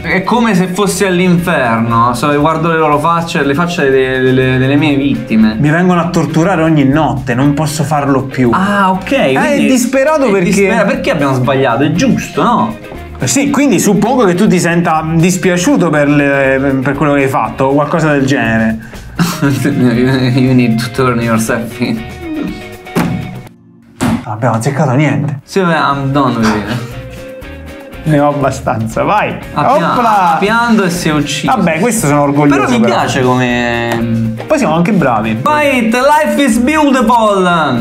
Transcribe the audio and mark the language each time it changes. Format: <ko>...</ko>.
<it>È come se fossi all'inferno, guardo le loro facce, le facce delle mie vittime. Mi vengono a torturare ogni notte, non posso farlo più. Ah, ok. È disperato perché... Perché abbiamo sbagliato, è giusto, no? Sì, quindi suppongo che tu ti senta dispiaciuto per quello che hai fatto o qualcosa del genere.</it> <en>You need to turn yourself in.</en> <it>Non abbiamo azzeccato niente.</it> <en>Sì, I'm done with it.</en> <it>Ne ho abbastanza, vai. Oppla! Piando e si è ucciso. Vabbè, questo sono orgoglioso. Però mi piace come... Poi siamo anche bravi.</it> <en>Fight, life is beautiful.</en>